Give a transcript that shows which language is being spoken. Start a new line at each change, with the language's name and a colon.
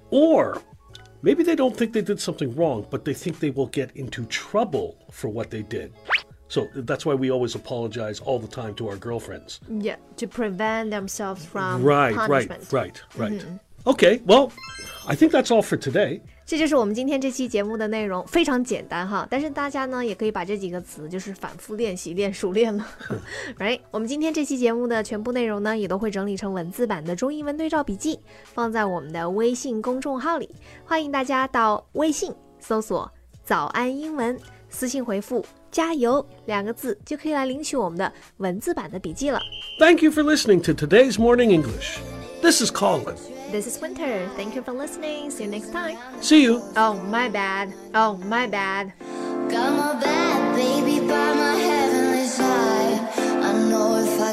English: Or maybe they don't think they did something wrong, but they think they will get into trouble for what they did. So that's why we always apologize all the time to our girlfriends. Yeah, to prevent themselves from punishment. Mm-hmm. Okay, well, I think that's all for today.
Chinese: 这就是我们今天这期节目的内容，非常简单哈，但是大家呢也可以把这几个词就是反复练习练熟练了right? 我们今天这期节目的全部内容呢也都会整理成文字版的中英文对照笔记，放在我们的微信公众号里，欢迎大家到微信搜索早安英文，私信回复加油两个字就可以来领取我们的文字版的笔记了。
English: Thank you for listening to today's Morning English. This is Colin This is Winter. Thank you for listening. See you next time. See you. Oh, my bad. Oh, my bad. Got my bad baby by my heavenly side. I know if